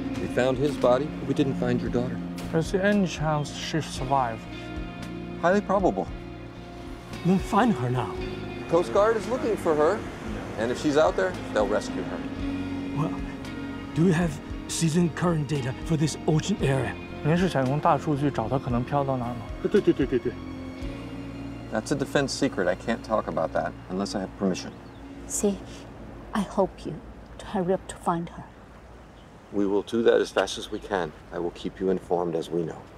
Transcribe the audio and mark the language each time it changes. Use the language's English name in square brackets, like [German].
[English] We found his body, but we didn't find your daughter. Is there any chance she survived? Highly probable. We'll find her now. Coast Guard is looking for her. And if she's out there, they'll rescue her. Well, do we have season current data for this ocean area? [Chinese] 您是想用大数据找她可能飘到哪儿吗? 对。 [English] That's a defense secret. I can't talk about that unless I have permission. See, I hope you hurry up to find her. We will do that as fast as we can. I will keep you informed as we know.